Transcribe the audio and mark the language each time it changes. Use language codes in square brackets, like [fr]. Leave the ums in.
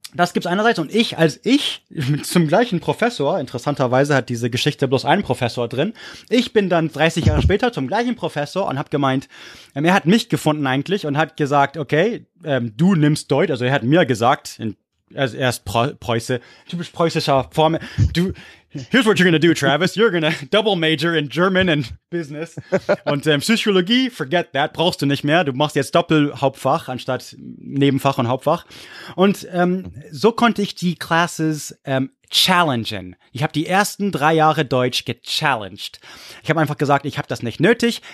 [de] das gibt's einerseits und ich als ich mit zum gleichen Professor, interessanterweise hat diese Geschichte bloß einen Professor drin. Ich bin dann 30 Jahre später zum gleichen Professor und habe gemeint, ähm, er hat mich gefunden eigentlich und hat gesagt, okay, ähm, du nimmst Deutsch, also er hat mir gesagt, in, also er ist Preu Preuße, typisch preußischer Form, du [en] Here's what you're gonna do, Travis. You're gonna double major in German and Business. [de] Und ähm, Psychologie, [en] forget that, [de] brauchst du nicht mehr. Du machst jetzt Doppelhauptfach anstatt Nebenfach und Hauptfach. Und ähm, so konnte ich die Classes ähm, challengen. Ich habe die ersten drei Jahre Deutsch gechallenged. Ich habe einfach gesagt, ich habe das nicht nötig.